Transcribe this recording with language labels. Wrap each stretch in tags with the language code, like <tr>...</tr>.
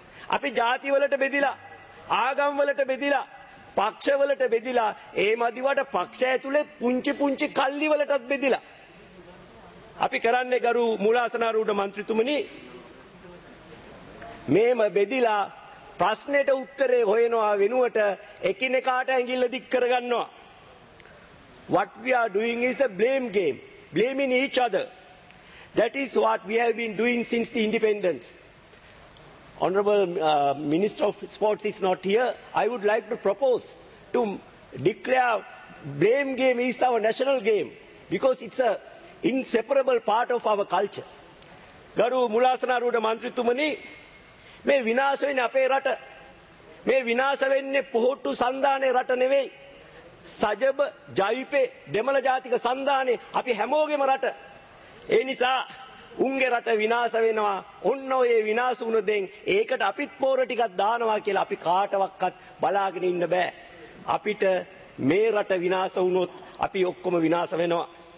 <si>අපි ජාතිවලට බෙදිලා, ආගම්වලට බෙදිලා, පක්ෂවලට බෙදිලා, ඒ මදිවට පක්ෂ ඇතුලේ පුංචි පුංචි කල්ලිවලටත් බෙදිලා. අපි කරන්නේ ගරු මූලාසනාරූඪ මන්ත්‍රීතුමනි මේම බෙදිලා ප්‍රශ්නෙට උත්තරේ හොයනවා වෙනුවට එකිනෙකාට ඇඟිල්ල දික් කරගන්නවා.</si> <en>What we are doing is a blame game, blaming each other. That is what we have been doing since the independence. Honorable Minister of Sports is not here. I would like to propose to declare blame game is our national game because it's an inseparable part of our culture.</en> <si>Garu Mulasanarudha Mantrithumani, මේ විනාශ වෙන්නේ අපේ රට මේ විනාශ වෙන්නේ පොහොට්ටු සන්දානේ රට නෙවෙයි සජබ ජයිපේ දෙමළ ජාතික සන්දානේ අපි හැමෝගෙම රට ඒ නිසා උන්ගේ රට විනාශ වෙනවා ඔන්න ඔය විනාශ වුණ දෙන් ඒකට අපිත් පොර ටිකක් දානවා කියලා අපි කාටවත් බලාගෙන ඉන්න බෑ අපිට මේ රට විනාශ වුණොත් අපි ඔක්කොම විනාශ වෙනවා</si>